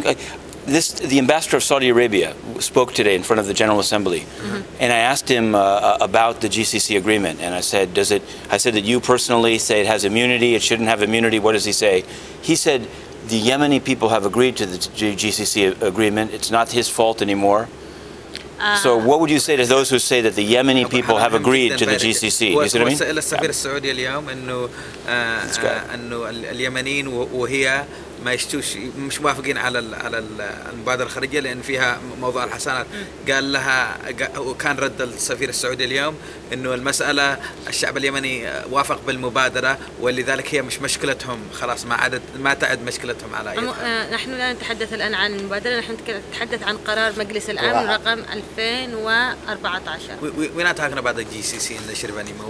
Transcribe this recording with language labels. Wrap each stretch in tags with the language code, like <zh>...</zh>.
<en>The ambassador of Saudi Arabia spoke today in front of the General Assembly, and I asked him about the GCC agreement. And I said, "Does it?" I said that you personally say it has immunity; it shouldn't have immunity. What does he say? He said, "The Yemeni people have agreed to the GCC agreement. It's not his fault anymore." So what would you say to those who say that the Yemeni people have agreed to the GCC? You see what I mean?</en> <ar>سأل السفير السعودي اليوم أنه اليمنيين وهي ما يشتوش مش موافقين على المبادرة الخارجية لأن فيها موضوع الحسنات. قال لها وكان رد السفير السعودي اليوم أنه المسألة الشعب اليمني وافق بالمبادرة ولذلك هي مش مشكلتهم خلاص ما تعد مشكلتهم على أي نحن لا نتحدث الآن عن المبادرة نحن نتحدث عن قرار مجلس الأمن رقم 2014.</ar> <en>We're not talking about the GCC initiative anymore.</en>